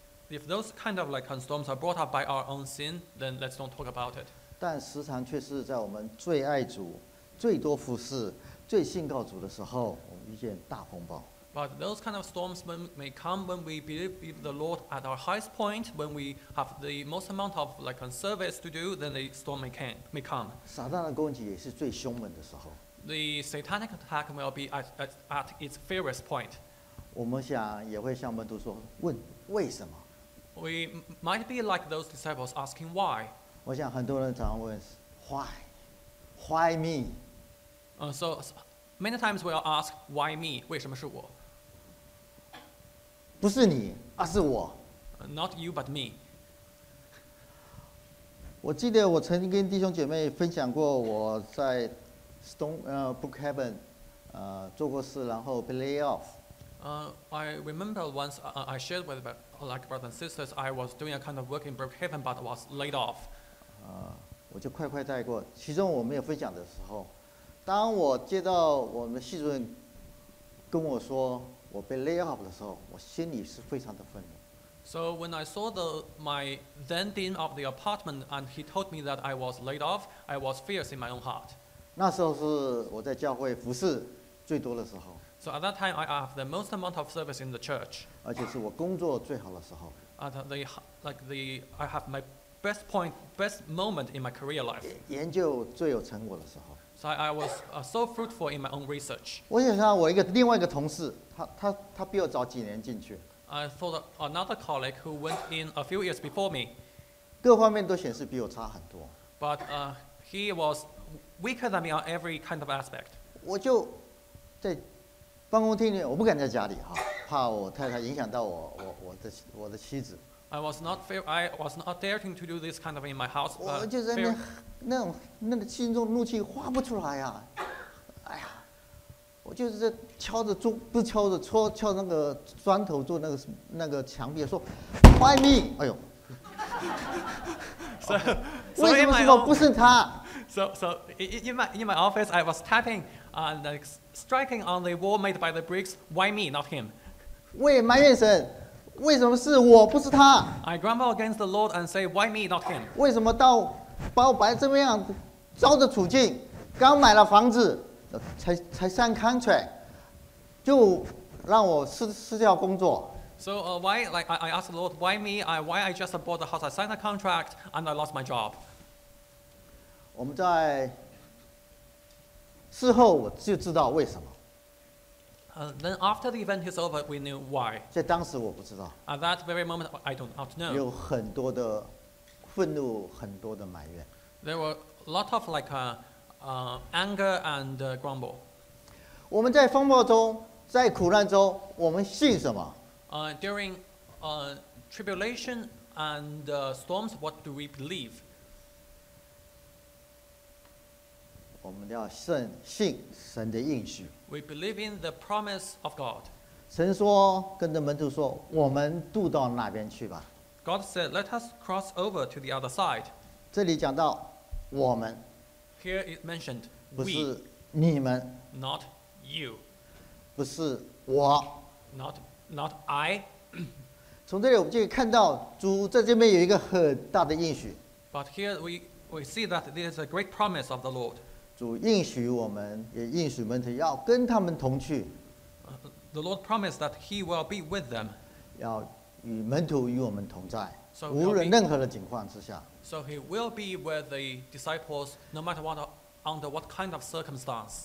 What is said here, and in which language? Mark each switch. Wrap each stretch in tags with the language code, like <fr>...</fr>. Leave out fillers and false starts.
<en>If those kind of storms are brought up by our own sin, then let's don't talk about it.</en> <zh>但时常却是在我们最爱主、最多服事、最信靠主的时候，我们遇见大风暴。</zh> <en>But those kind of storms may come when we believe the Lord at our highest point, when we have the most amount of like service to do, then the storm may come.</en> <zh>撒旦的攻击也是最凶猛的时候。</zh> <en>The satanic attack will be at its fiercest point.</en> <zh>我们想也会向门徒说，问为什么？</zh> <en>We might be like those disciples asking why.</en> <zh>我想很多人常问</zh> <en>why? Why me? So. Many times we'll ask, why me?</en> <zh>为什么是我？不是你，而是我。</zh> <en>Not you, but me.</en> <zh>我记得我曾经跟弟兄姐妹分享过我在 Brookhaven 做过事，然后被 lay off。</zh> <en>I remember once I shared with like brothers and sisters, I was doing a kind of work in Brookhaven, but was laid off.</en> <zh>我就快快带过，其中我没有分享的时候。当我接到我们系主任跟我说我被 lay off 的时候，我心里是非常的愤怒。</zh> <en>So when I saw my then dean of the apartment and he told me that I was laid off, I was fierce in my own heart.</en> <zh>那时候是我在教会服事最多的时候。</zh> <en>So at that time I have the most amount of service in the church.</en> <zh>而且是我工作最好的时候。</zh> <en>At I have my best point, best moment in my career life.</en> <zh>研究最有成果的时候。</zh> <en>So I was so fruitful in my own research.</en> <zh>我想想我一个另外一个同事，他比我早几年进去。</zh> <en>I thought another colleague who went in a few years before me.</en> <zh>各方面都显示比我差很多。</zh> <en>But he was weaker than me on every kind of aspect.</en> <zh>我就在办公厅里，我不敢在家里哈，怕我太太影响到我的妻子。</zh> <en>I was not daring to do this kind of in my house.</en> <zh>我就在那。那种那个心中怒气发不出来呀、啊，哎呀，我就是在敲着钟，不是敲着戳敲那个砖头做那个墙壁，说 ，</zh> <en>Why me？</en> <zh>哎呦，所以为什么不是他</zh> <en>？So in my office, I was tapping and like striking on the wall made by the bricks. Why me, not him？</en> <zh>为埋怨神。为什么是我不是他</zh> <en>？I grumble against the Lord and say, Why me, not him？</en> <zh>为什么到把我摆这么样糟的处境，刚买了房子，才上 contract， 就让我失掉工作。</zh> <en>So why like I ask the Lord why me? Why I just bought the house, I signed a contract, and I lost my job.</en> <zh>我们在事后我就知道为什么。</zh> <en>Then after the event is over, we knew why.</en> <zh>在当时我不知道。</zh> <en>At that very moment, I don't know.</en> <zh>有很多的愤怒，很多的埋怨。</zh> <en>There were a lot of like anger and grumble.</en> <zh>我们在风暴中，在苦难中，我们信什么？</zh> <en>During tribulation and storms, what do we believe?</en> <zh>我们要信信神的应许。</zh> <en>We believe in the promise of God.</en> <zh>神说，跟着门徒说，我们渡到那边去吧。</zh> <en>God said, "Let us cross over to the other side."</en> <zh>这里讲到我们。</zh> <en>Here it mentioned we.</en> <zh>不是你们。</zh> <en>Not you.</en> <zh>不是我。</zh> <en>Not I.</en> <zh>从这里我们就看到主在这边有一个很大的应许。</zh> <en>But here we see that there is a great promise of the Lord.</en> <zh>主应许我们，也应许门徒要跟他们同去。</zh> <en>The Lord promised that He will be with them.</en> <zh>要与门徒与我们同在，无论任何的情况之下。</zh> <en>So He will be with the disciples, no matter what, under what kind of circumstance.</en>